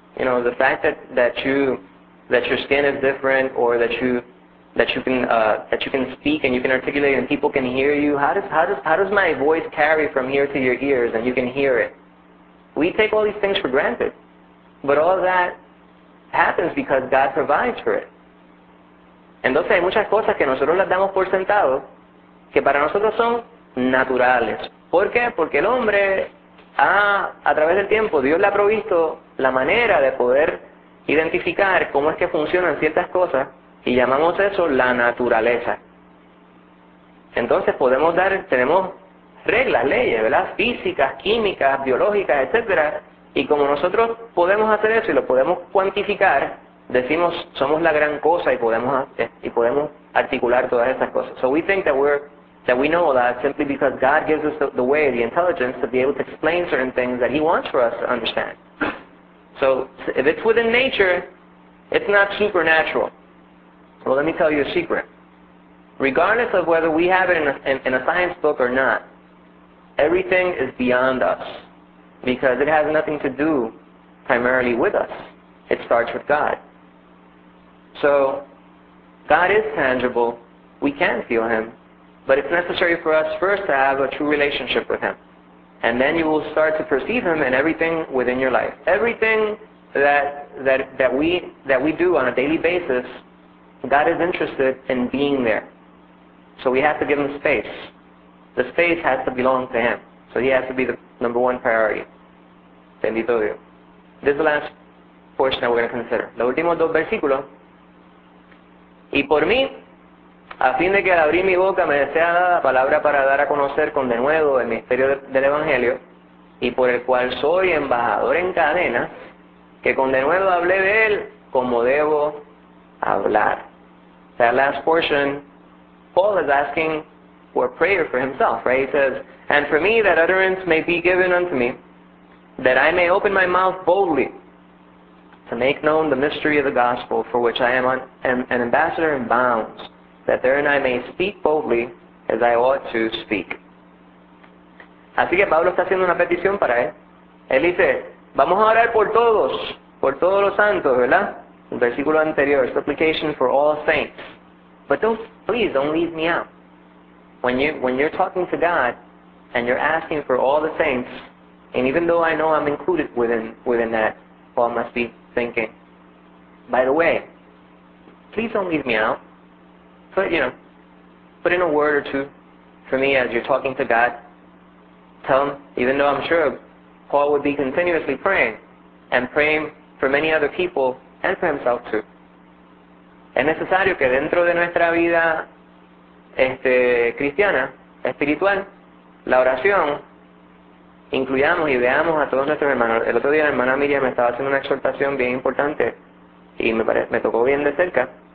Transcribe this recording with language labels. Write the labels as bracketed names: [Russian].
[English] You know, the fact that your skin is different, or that you can speak and you can articulate and people can hear you. How does my voice carry from here to your ears and you can hear it? We take all these things for granted. But all of that happens because God provides for it. [Spanish] Entonces hay muchas cosas que nosotros las damos por sentado que para nosotros son naturales. ¿Por qué? Porque el hombre a través del tiempo Dios le ha provisto la manera de poder identificar cómo es que funcionan ciertas cosas y llamamos eso la naturaleza. Entonces podemos dar, tenemos reglas, leyes, ¿verdad? Físicas, químicas, biológicas, etcétera. Y como nosotros podemos hacer eso y lo podemos cuantificar, decimos somos la gran cosa y podemos articular todas esas cosas. [English] So we think that we know that simply because God gives us the way, the intelligence to be able to explain certain things that He wants for us to understand. So if it's within nature, it's not supernatural. Well, let me tell you a secret. Regardless of whether we have it in a science book or not, everything is beyond us because it has nothing to do primarily with us. It starts with God. So God is tangible. We can feel Him. But it's necessary for us first to have a true relationship with Him. And then you will start to perceive Him in everything within your life. Everything that we do on a daily basis, God is interested in being there. So we have to give Him space. The space has to belong to Him. So He has to be the number one priority. [Spanish] Bendito Dios. [English] This is the last portion that we're going to consider. [Spanish] Los últimos dos versículos. Y por mí, a fin de que al abrir mi boca me sea dada la palabra para dar a conocer con denuedo el misterio del Evangelio, y por el cual soy embajador en cadenas, que con denuedo hablé de él como debo hablar. [English] That last portion, Paul is asking for prayer for himself, right? He says, and for me that utterance may be given unto me, that I may open my mouth boldly to make known the mystery of the gospel, for which I am an ambassador in bounds, that therein I may speak boldly as I ought to speak. [Spanish] Así que Pablo está haciendo una petición para él. Él dice, vamos a orar por todos los santos, ¿verdad? El versículo anterior, [English] supplication for all saints. But please don't leave me out. When you're talking to God and you're asking for all the saints, and even though I know I'm included within that, Paul must be thinking, by the way, please don't leave me out. Put in a word or two for me as you're talking to God. Tell Him, even though I'm sure Paul would be continuously praying and praying for many other people and for himself too. [Spanish] Es necesario que dentro de nuestra vida cristiana, espiritual, la oración, incluyamos y veamos a todos nuestros hermanos. El otro día la hermana Miriam me estaba haciendo una exhortación bien importante y me tocó bien de cerca.